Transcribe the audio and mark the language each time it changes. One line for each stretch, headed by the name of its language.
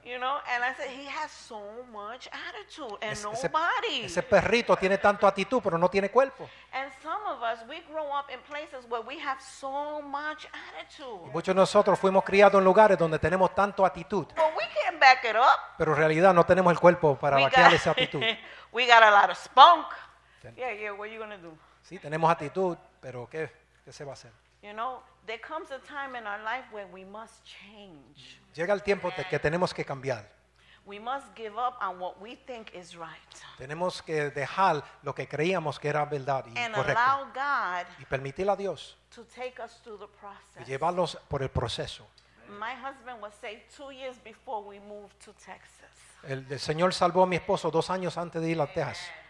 English: You know, and I said, he has so much attitude and no body.
Spanish: Ese perrito tiene tanto actitud, pero no tiene cuerpo.
English: And some of us, we grow up in places where we have so much attitude.
Spanish: Y muchos de nosotros fuimos criados en lugares donde tenemos tanto actitud.
English: But we can't back it up.
Spanish: Pero en realidad no tenemos el cuerpo para vaquear esa actitud.
English: We got a lot of spunk. Yeah, what are you going to do?
Spanish: Sí, tenemos actitud, pero ¿qué se va a hacer?
English: You know, There comes a time in our life where we must change.
Spanish: Llega el tiempo de que tenemos que cambiar.
English: We must give up on what we think is right.
Spanish: Tenemos que dejar lo que creíamos que era verdad y
English: and
Spanish: correcto.
English: Allow God
Spanish: y permitir a Dios
English: to take us through the process.
Spanish: Y llevarlos por el proceso.
English: My husband was saved 2 years before we moved to Texas.
Spanish: El Señor salvó a mi esposo 2 años antes de ir a Texas.